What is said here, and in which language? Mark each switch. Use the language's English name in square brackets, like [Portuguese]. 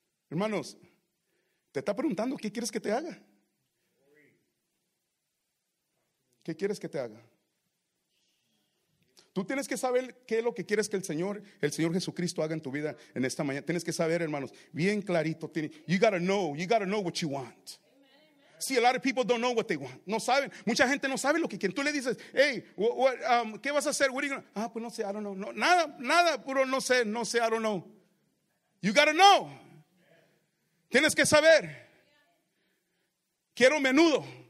[Spanish] Hermanos, Te está preguntando, ¿qué quieres que te haga? ¿Qué quieres que te haga? Tú tienes que saber qué es lo que quieres que el Señor Jesucristo haga en tu vida en esta mañana. Tienes que saber, hermanos, bien clarito. [English] You gotta know what you want. See, a lot of people don't know what they want. [Spanish] No saben. Mucha gente no sabe lo que quieren. Tú le dices, hey, ¿qué vas a hacer? [English] What are you gonna? [Spanish] Pues no sé, [English] I don't know. [Spanish] No sé, [English] I don't know. You gotta know. [Spanish] Tienes que saber. Quiero menudo.